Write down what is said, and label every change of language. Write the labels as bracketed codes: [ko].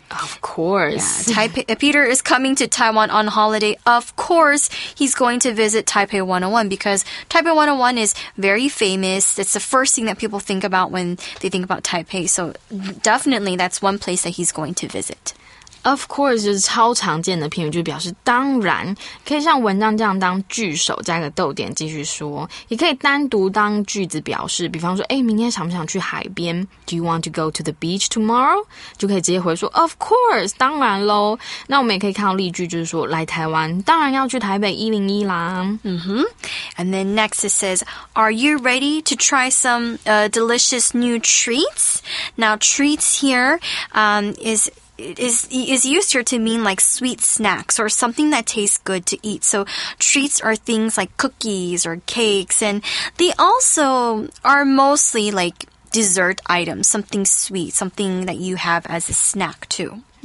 [en] Of course. Yeah, Peter is coming to Taiwan on holiday. Of course, he's going to visit Taipei 101, because Taipei 101 is very famous. It's the first thing that people think about when they think about Taipei, so definitely that's one place that he's going to visit. [zh] Of course, 就是超常见的片语，就表示当然，可以像文章这样当句首加个逗点继续说，也可以单独当句子表示，比方说，诶，明天想不想去海边？ [en] Do you want to go to the beach tomorrow? [zh] 就可以直接回说 Of course, 当然咯。那我们也可以看到例句，就是说来台湾，当然要去台北101啦。 [en] And then next it says, Are you ready to try some, delicious new treats? Now, treats here, is used here to mean like sweet snacks or something that tastes good to eat. So treats are things like cookies or cakes, and they also are mostly like dessert items, something sweet, something that you have as a snack too.